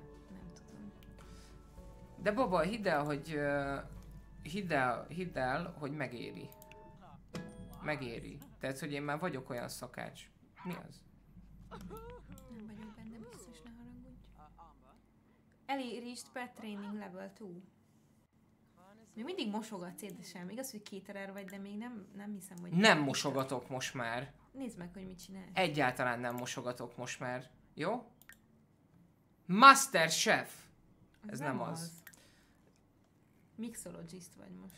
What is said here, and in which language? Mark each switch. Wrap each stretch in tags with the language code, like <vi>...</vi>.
<hu>nem tudom. De baba, hidd el, hogy... Hidd el, hogy megéri. Megéri. Tehát, hogy én már vagyok olyan szakács. Mi az? Nem vagyok benne biztos, ne haragudj.</hu> <en>Ellie reached pet training level 2.</en> <hu>Még mindig mosogatsz, édesem. Igaz, hogy kéterer vagy, de még nem hiszem, hogy... Nem mosogatok most már. Nézd meg, hogy mit csinál. Egyáltalán nem mosogatok most már. Jó? Master Chef! Ez nem az. Mixologist vagy most.</hu>